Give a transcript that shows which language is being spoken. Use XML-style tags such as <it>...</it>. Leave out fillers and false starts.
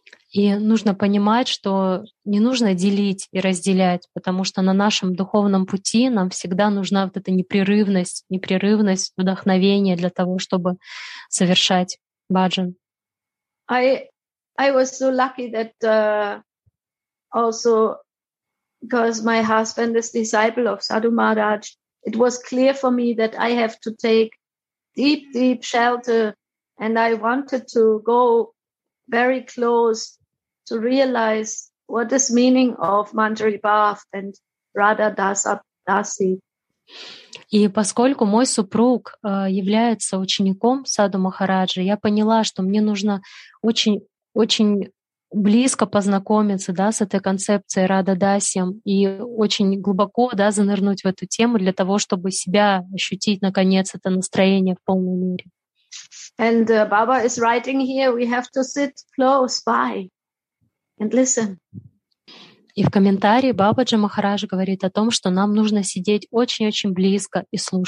<ru>И нужно понимать, что не нужно делить и разделять, потому что на нашем духовном пути нам всегда нужна вот эта непрерывность, вдохновение для того, чтобы совершать баджан.</ru> <en>I was so lucky that also because my husband is disciple of Sadhu Maharaj, it was clear for me that I have to take deep shelter, and I wanted to go very close to realize what is meaning of Manjari Bhav and Radha Dasa Dasi.</en> <ru>И поскольку мой супруг является учеником Саду Махараджи, я поняла, что мне нужно очень близко познакомиться, да, с этой концепцией Рада Дасьям и очень глубоко, да, занырнуть в эту тему для того, чтобы себя ощутить, наконец, это настроение в полной мере.</ru> <en>And Baba is writing here, we have to sit close by and listen.</en> <ru>И в комментарии Бабаджа Махарадж говорит о том, что нам нужно сидеть очень-очень близко и</ru>